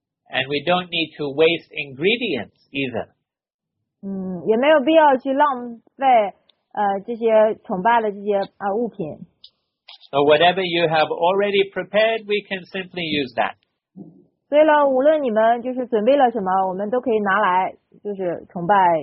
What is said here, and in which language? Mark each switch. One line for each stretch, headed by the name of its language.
English: And we don't need to waste ingredients either.
Chinese: 嗯，也没有必要去浪费这些崇拜的这些物品。
English: So whatever you have already prepared, we can simply use that.
Chinese: 所以呢，无论你们就是准备了什么，我们都可以拿来就是崇拜。